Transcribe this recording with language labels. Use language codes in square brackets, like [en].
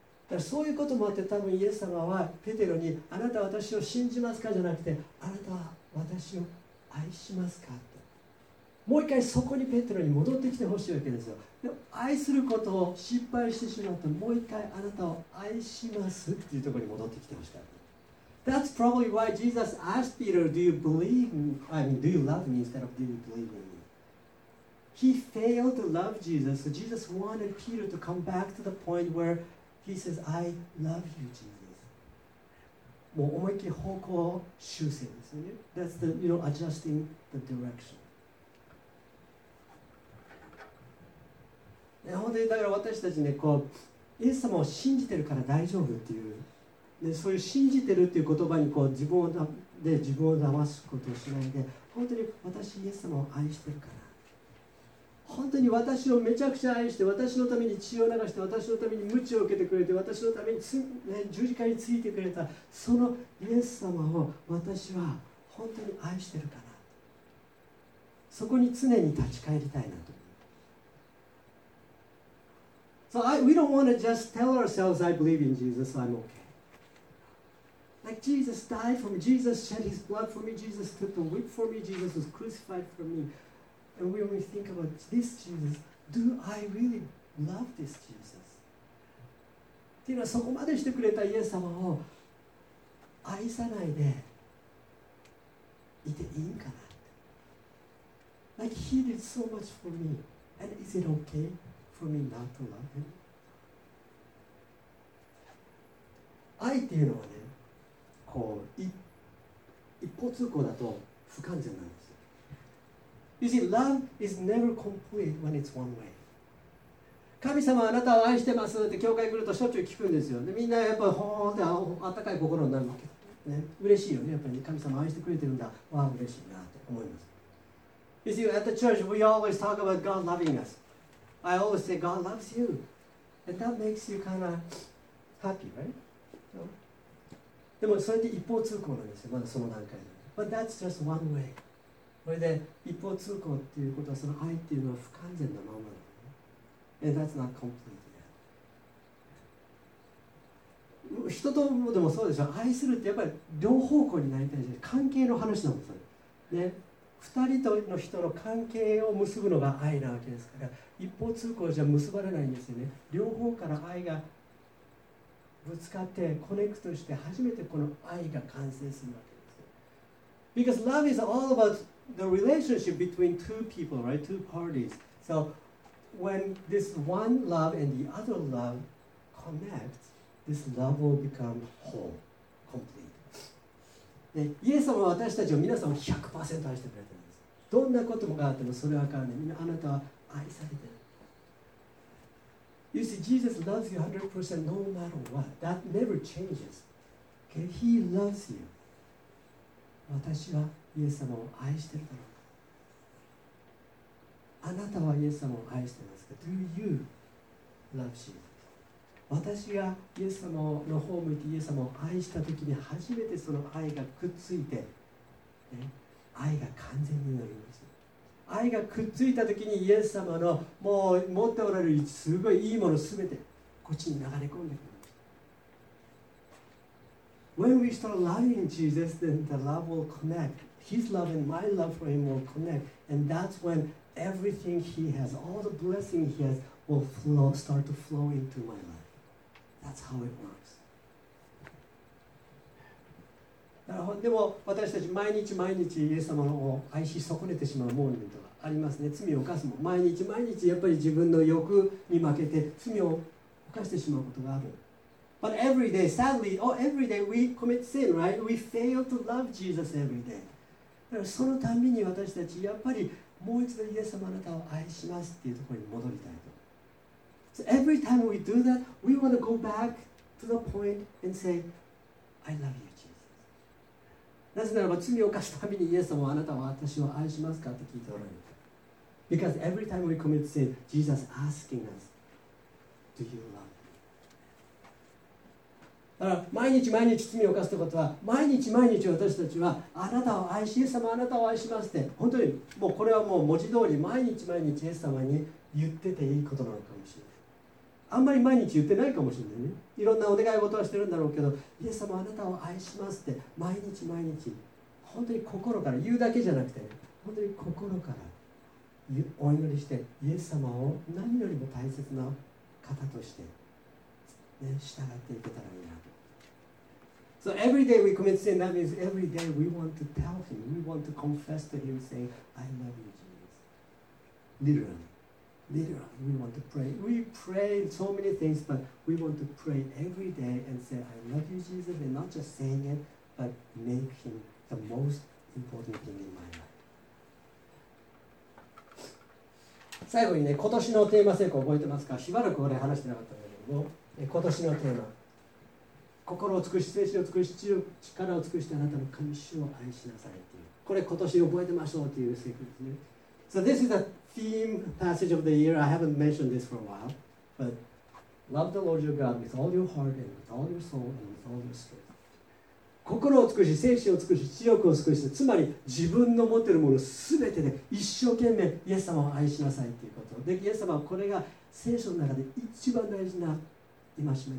[ja] だからそういうこともあって、多分イエス様はペテロにあなたは私を信じますかじゃなくて、あなたは私を愛しますかと。もう一回そこにペテロに戻ってきてほしいわけですよ。でも愛することを失敗してしまった、もう一回あなたを愛しますっていうところに戻ってきてほしい。 [en] That's probably why Jesus asked Peter, do you believe me? I mean, do you love me instead of do you believe in me? He failed to love Jesus, so Jesus wanted Peter to come back to the point where he says, I love you, Jesus. [ja] もう思いっきり方向修正ですね。 [en] That's the, you know, adjusting the direction. [ja] 本当にだから私たちね、こう、イエス様を信じてるから大丈夫っていう。でそういう信じてるっていう言葉にこう自分をで自分を騙すことをしないで本当に私イエス様を愛してるから本当に私をめちゃくちゃ愛して私のために血を流して私のために鞭を受けてくれて私のために、ね、十字架についてくれたそのイエス様を私は本当に愛してるからそこに常に立ち返りたいなと。 [en] So we don't want to just tell ourselves I believe in Jesus, so I'm okay. Like Jesus died for me, Jesus shed his blood for me, Jesus took the whip for me, Jesus was crucified for me. And when we think about this Jesus, do I really love this Jesus? [ja] っていうのはそこまでしてくれたイエス様を愛さないでいていいんかなって。 [en] Like he did so much for me, and is it okay for me not to love him? [ja] 愛っていうのはね、こう一方通行だと不完全なんです。 [en] You see, love is never complete when it's one way. [ja] 神様あなたを愛してますって教会来るとしょっちゅう聞くんですよ。でみんなやっぱりほーって温かい心になるわけ、ね、嬉しいよね。やっぱり神様愛してくれてるんだ、わー嬉しいなって思います。 [en] You see, at the church we always talk about God loving us. I always say God loves you, and that makes you kind of happy, right? No? [ja] でもそれって一方通行なんですよ、まだその段階で。 [en] But that's just one way. [ja] これで一方通行っていうことは、その愛っていうのは不完全なまま、 [en] And that's not complete yet. [ja] 人ともでもそうでしょ。愛するってやっぱり両方向になりたいじゃん。関係の話なんですよ。ね、二人との人の関係を結ぶのが愛なわけですから、一方通行じゃ結ばれないんですよね。両方から愛がぶつかってコネクトして初めてこの愛が完成するわけですよ。 [en] Because love is all about the relationship between two people, right? Two parties. So,When this one love and the other love connect, this love will become whole, complete. [ja] で、イエス様は私たちを皆さんを 100% 愛してくれてるんです。どんなこともあってもそれは変わらない。みんなあなたは愛されてる。 [en] You see, Jesus loves you 100% no matter what. That never changes. Okay? He loves you. [ja] 私はイエス様を愛してるから。あなたはイエス様を愛してますか？ [en] Do you love Jesus? [ja] 私がイエス様の方を向いてイエス様を愛したときに初めてその愛がくっついて、ね、愛が完全になるんです。愛がくっついたときにイエス様のもう持っておられるすごいいいものすべてこっちに流れ込んでくるんです。 [en] When we start loving Jesus, then the love will connect. His love and my love for him will connect. And that's whenEverything he has, all the blessing he has, will flow, start to flow into my life. That's how it works. [ja] でも私たち毎日毎日イエス様を愛し損ねてしまうモーニングがありますね。罪を犯すも毎日毎日やっぱり自分の欲に負けて罪を犯してしまうことがある。 [en] But every day, sadly, oh, every day we commit sin, right? We fail to love Jesus every day. [ja] だからそのたびに私たちやっぱりもう一度イエス様あなたを愛しますっていうところに戻りたいと。 [en] So every time we do that, we want to go back to the point and say, I love you, Jesus. [ja] なぜならば罪を犯すたびにイエス様あなたは私を愛しますかって聞いておられる。 [en] Because every time we commit sin, Jesus asking us, Do you love me? [ja] だから毎日毎日罪を犯すということは、毎日毎日私たちはあなたを愛し、イエス様あなたを愛しますって、本当にもうこれはもう文字通り毎日毎日イエス様に言ってていいことなのかもしれない。あんまり毎日言ってないかもしれないね。いろんなお願い事はしてるんだろうけど、イエス様あなたを愛しますって毎日毎日本当に心から言うだけじゃなくて、本当に心からお祈りしてイエス様を何よりも大切な方として、ね、従っていけたらいいなと。 [en] So every day we commit sin, that means every day we want to tell him, we want to confess to him, saying, I love you, Jesus. Literally. Literally, we want to pray. We pray so many things, but we want to pray every day and say, I love you, Jesus, and not just saying it, but make him the most important thing in my life. [ja] 最後にね、今年のテーマ成功覚えてますか？しばらく俺話してなかったんだけども、今年のテーマ。心を尽くし、精神を尽くし、力を尽くしてあなたの神主を愛しなさいっていう。これ今年覚えてましょうっていうセリフですね。 [en] So this is a theme passage of the year. I haven't mentioned this for a while. But love the Lord your God with all your heart and with all your soul and with all your strength. [ja] 心を尽くし、精神を尽くし、知力を尽くして、つまり自分の持っているものすべてで一生懸命イエス様を愛しなさいっていうこと。で、イエス様はこれが聖書の中で一番大事な戒めだよ。